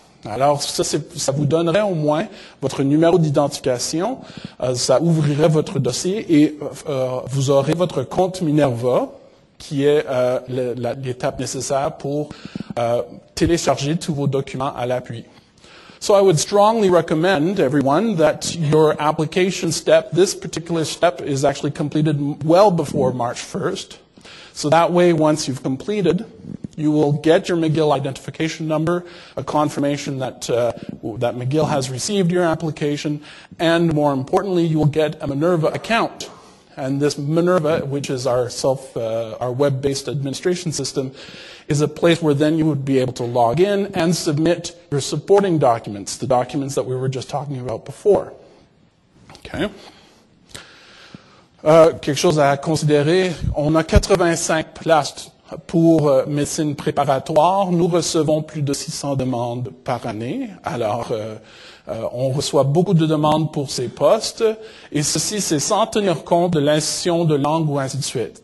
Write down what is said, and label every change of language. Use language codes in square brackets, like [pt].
[fr] Alors, ça vous donnerait au moins votre numéro d'identification, ça ouvrirait votre dossier et vous aurez votre compte Minerva, qui est l'étape nécessaire pour télécharger tous vos documents à l'appui. [en] So I would strongly recommend, everyone, that your application step, this particular step, is actually completed well before March 1st. So that way, once you've completed, you will get your McGill identification number, a confirmation that McGill has received your application, and more importantly, you will get a Minerva account. And this Minerva, which is our web-based administration system, is a place where then you would be able to log in and submit your supporting documents, the documents that we were just talking about before. Okay. [fr] Quelque chose à considérer, on a 85 places pour médecine préparatoire. Nous recevons plus de 600 demandes par année. Alors, on reçoit beaucoup de demandes pour ces postes. Et ceci, c'est sans tenir compte de l'institution de langue ou ainsi de suite.